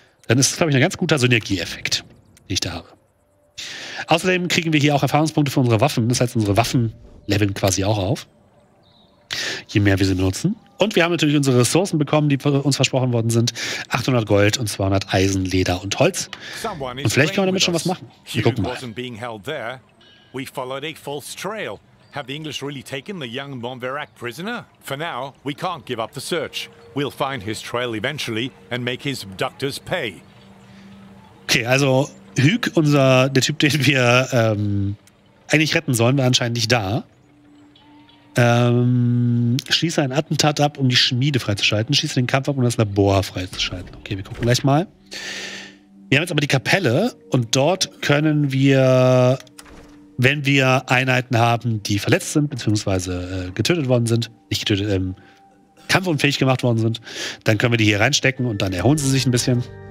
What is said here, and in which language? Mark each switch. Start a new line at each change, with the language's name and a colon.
German: Dann ist es, glaube ich, ein ganz guter Synergieeffekt, den ich da habe. Außerdem kriegen wir hier auch Erfahrungspunkte für unsere Waffen. Das heißt, unsere Waffen leveln quasi auch auf, je mehr wir sie benutzen. Und wir haben natürlich unsere Ressourcen bekommen, die uns versprochen worden sind. 800 Gold und 200 Eisen, Leder und Holz. Und vielleicht können wir damit schon was machen. Wir gucken mal.
English: Wasn't being held there. We followed a false trail. Have the English really taken the young Monverac prisoner? For now, we can't give up the search. We'll find his trail eventually and make his abductors pay.
German: Okay, also Hüg, der Typ, den wir eigentlich retten sollen, war anscheinend nicht da. Schließe ein Attentat ab, um die Schmiede freizuschalten. Schließe den Kampf ab, um das Labor freizuschalten. Okay, wir gucken gleich mal. Wir haben jetzt aber die Kapelle und dort können wir, wenn wir Einheiten haben, die verletzt sind, beziehungsweise getötet worden sind, nicht getötet, kampfunfähig gemacht worden sind, dann können wir die hier reinstecken und dann erholen sie sich ein bisschen.